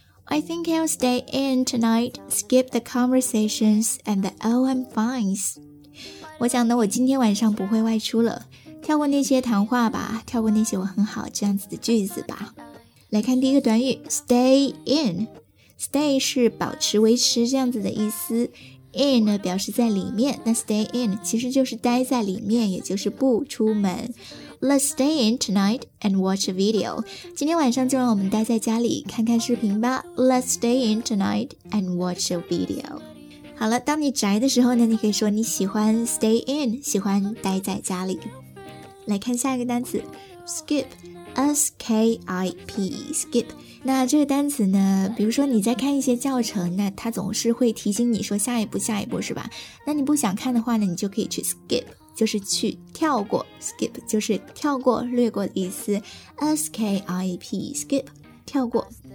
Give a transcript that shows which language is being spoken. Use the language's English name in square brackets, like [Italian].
[English] I think I'll stay in tonight, skip the conversations and the oh I'm fines. [Chinese] 我想呢，我今天晚上不会外出了，跳过那些谈话吧，跳过那些我很好这样子的句子吧。来看第一个短语 ,stay in。Stay 是保持维持这样子的意思。 In 呢表示在里面，那 stay in 其实就是待在里面，也就是不出门。 [English] Let's stay in tonight and watch a video. [Chinese] 今天晚上就让我们待在家里看看视频吧。 [English] Let's stay in tonight and watch a video. [Chinese] 好了，当你宅的时候呢，你可以说你喜欢 stay in, 喜欢待在家里。来看下一个单词 ,skip, S-K-I-P, skip. 那这个单词呢，比如说你在看一些教程，那它总是会提醒你说下一步下一步是吧，那你不想看的话呢，你就可以去 skip, 就是去跳过， skip 就是跳过略过的意思， S-K-I-P, skip, 跳过。